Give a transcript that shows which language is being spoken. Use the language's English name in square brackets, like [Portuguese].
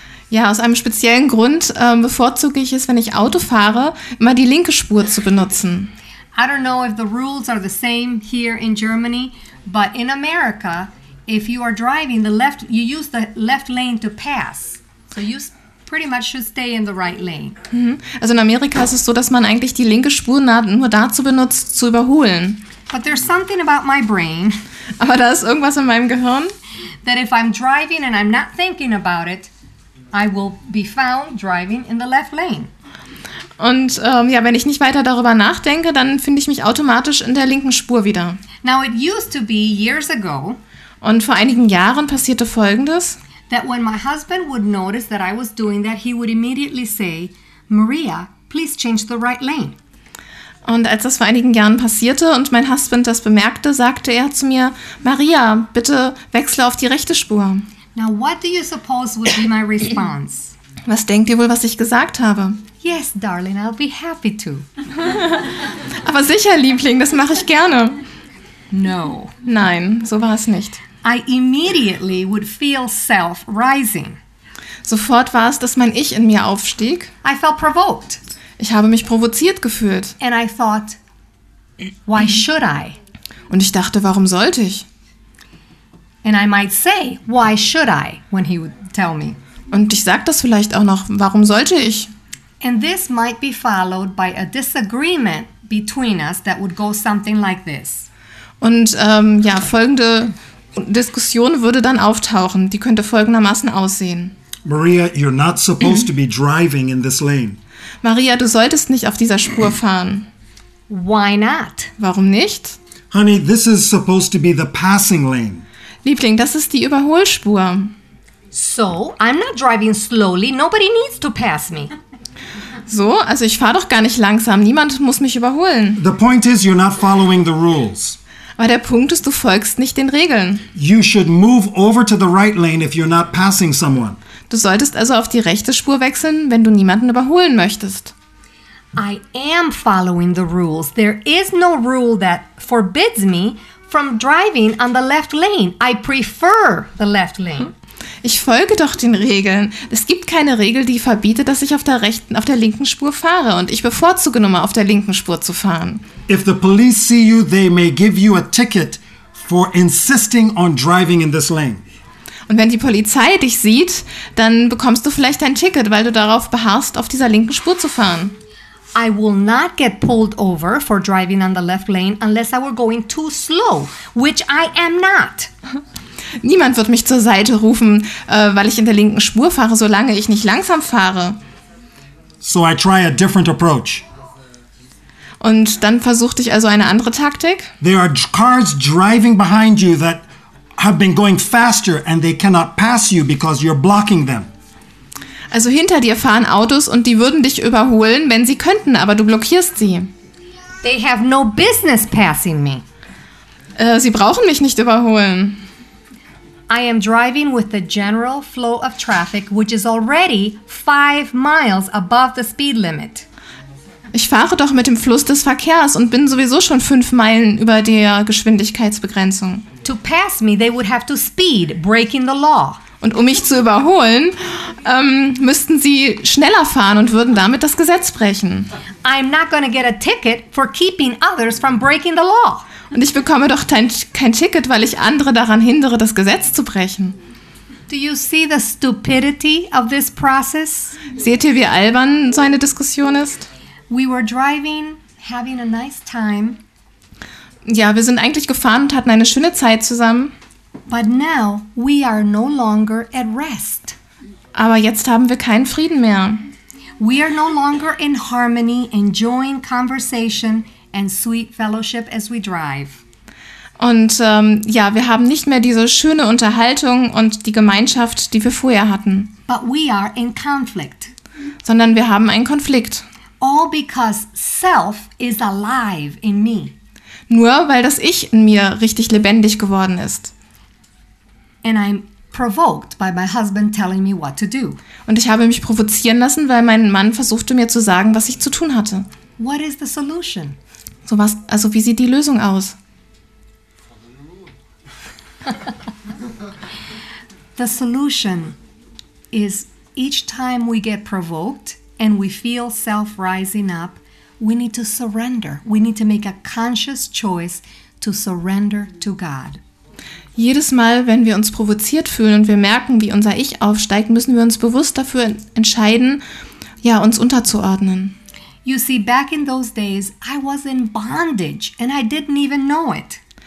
[German] Ja, aus einem speziellen Grund bevorzuge ich es, wenn ich Auto fahre, immer die linke Spur zu benutzen. [English] I don't know if the rules are the same here in Germany, but in America, if you are driving the left, you use the left lane to pass. So you pretty much should stay in the right lane. [German] Also in Amerika ist es so, dass man eigentlich die linke Spur nur dazu benutzt, zu überholen. [English] But there's something about my brain. [German] Aber da ist irgendwas in meinem Gehirn. [English] That if I'm driving and I'm not thinking about it, I will be found driving in the left lane. [German] Und wenn ich nicht weiter darüber nachdenke, dann finde ich mich automatisch in der linken Spur wieder. [English] Now it used to be years ago. [German] Und vor einigen Jahren passierte Folgendes. [English] That when my husband would notice that I was doing that, he would immediately say, Maria, please change the right lane. [German] Und als das vor einigen Jahren passierte und mein [English] Husband [German] das bemerkte, sagte er zu mir, Maria, bitte wechsle auf die rechte Spur. [English] Now what do you suppose would be my response? [German] Was denkt ihr wohl, was ich gesagt habe? [English] Yes, darling, I'll be happy to. [German] Aber sicher, Liebling, das mache ich gerne. [English] No. [German] Nein, so war es nicht. [English] I immediately would feel self rising. [German] Sofort war es, dass mein Ich in mir aufstieg. [English] I felt provoked. [German] Ich habe mich provoziert gefühlt. [English] And I thought, why should I? [German] Und ich dachte, warum sollte ich? [English] And I might say, why should I, when he would tell me. [German] Und ich sag das vielleicht auch noch, warum sollte ich? [English] And this might be followed by a disagreement between us that would go something like this. [German] Und folgende Diskussion würde dann auftauchen, die könnte folgendermaßen aussehen. [English] Maria, you're not supposed to be driving in this lane. [German] Maria, du solltest nicht auf dieser Spur fahren. [English] Why not? [German] Warum nicht? [English] Honey, this is supposed to be the passing lane. [German] Liebling, das ist die Überholspur. [English] So, I'm not driving slowly. Nobody needs to pass me. [German] So, also ich fahre doch gar nicht langsam. Niemand muss mich überholen. [English] The point is, you're not following the rules. [German] Aber der Punkt ist, du folgst nicht den Regeln. [English] You should move over to the right lane if you're not passing someone. [German] Du solltest also auf die rechte Spur wechseln, wenn du niemanden überholen möchtest. [English] I am following the rules. There is no rule that forbids me from driving on the left lane. I prefer the left lane. [German] Ich folge doch den Regeln. Es gibt keine Regel, die verbietet, dass ich auf der linken Spur fahre, und ich bevorzuge nur mal auf der linken Spur zu fahren. [English] If the police see you, they may give you a ticket for insisting on driving in this lane. [German] Und wenn die Polizei dich sieht, dann bekommst du vielleicht dein Ticket, weil du darauf beharrst, auf dieser linken Spur zu fahren. [English] I will not get pulled over for driving on the left lane unless I were going too slow, which I am not. [German] Niemand wird mich zur Seite rufen, weil ich in der linken Spur fahre, solange ich nicht langsam fahre. [English] So I try a different approach. [German] Und dann versuchte ich also eine andere Taktik. [English] There are cars driving behind you that have been going faster and they cannot pass you because you're blocking them. [German] Also hinter dir fahren Autos und die würden dich überholen, wenn sie könnten, aber du blockierst sie. [English] They have no business passing me. [German] Sie brauchen mich nicht überholen. [English] I am driving with the general flow of traffic, which is already 5 miles above the speed limit. [German] Ich fahre doch mit dem Fluss des Verkehrs und bin sowieso schon 5 Meilen über der Geschwindigkeitsbegrenzung. [English] To pass me, they would have to speed, breaking the law. [German] Und um mich zu überholen, müssten sie schneller fahren und würden damit das Gesetz brechen. [English] I'm not gonna get a ticket for keeping others from breaking the law. [German] Und ich bekomme doch kein Ticket, weil ich andere daran hindere, das Gesetz zu brechen. [English] Do you see the stupidity of this process? [German] Seht ihr, wie albern so eine Diskussion ist? [English] We were driving, having a nice time. [German] Ja, wir sind eigentlich gefahren und hatten eine schöne Zeit zusammen. [English] But now we are no longer at rest. [German] Aber jetzt haben wir keinen Frieden mehr. [English] We are no longer in harmony, enjoying conversation and sweet fellowship as we drive. [German] Und wir haben nicht mehr diese schöne Unterhaltung und die Gemeinschaft, die wir vorher hatten. [English] But we are in conflict. [German] Sondern wir haben einen Konflikt. [English] All because self is alive in me. [German] Nur weil das Ich in mir richtig lebendig geworden ist. [English] And I'm provoked by my husband telling me what to do. [German] Und ich habe mich provozieren lassen, weil mein Mann versuchte mir zu sagen, was ich zu tun hatte. [English] What is the solution? [German] So was, also wie sieht die Lösung aus? [English] The solution is each time we get provoked and we feel self rising up, we need to surrender. We need to make a conscious choice to surrender to God. [German] Jedes Mal, wenn wir uns provoziert fühlen und wir merken, wie unser Ich aufsteigt, müssen wir uns bewusst dafür entscheiden, ja, uns unterzuordnen. [English] You see, back in those days, I was in bondage and I didn't even know it.